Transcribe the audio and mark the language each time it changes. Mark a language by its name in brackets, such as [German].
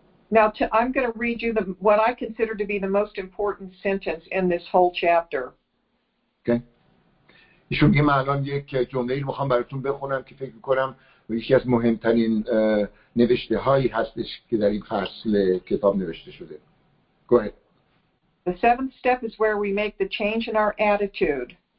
[English] Now, I'm going to read you what I consider to be the most important sentence in this whole chapter. Okay. [Persian] ایشون میگه من الان یک جمله رو میخوام براتون بخونم که فکر میکنم یکی از مهمترین نوشته هایی هستش که در این فصل کتاب نوشته شده. [English] Go ahead. The seventh step is where we make the change in our attitude.